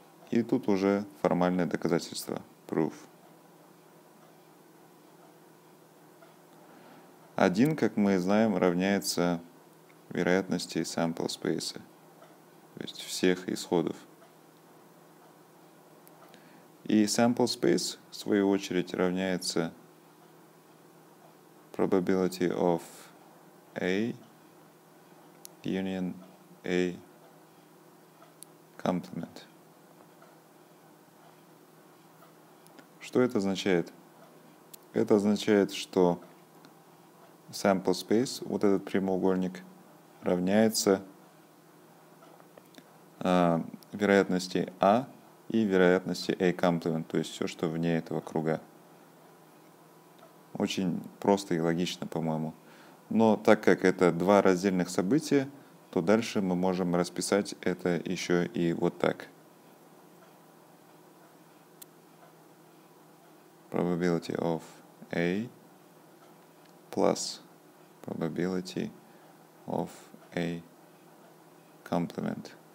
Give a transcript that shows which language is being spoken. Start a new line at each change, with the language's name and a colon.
Russian: И тут уже формальное доказательство, proof. Один, как мы знаем, равняется вероятности sample space, то есть всех исходов. И sample space, в свою очередь, равняется
English: probability of A union A complement.
Russian: Что это означает? Это означает, что sample space, вот этот прямоугольник, равняется вероятности A и вероятности A complement, то есть все, что вне этого круга. Очень просто и логично, по-моему. Но так как это два раздельных события, то дальше мы можем расписать это еще и вот так.
English: Probability of A plus probability of A complement.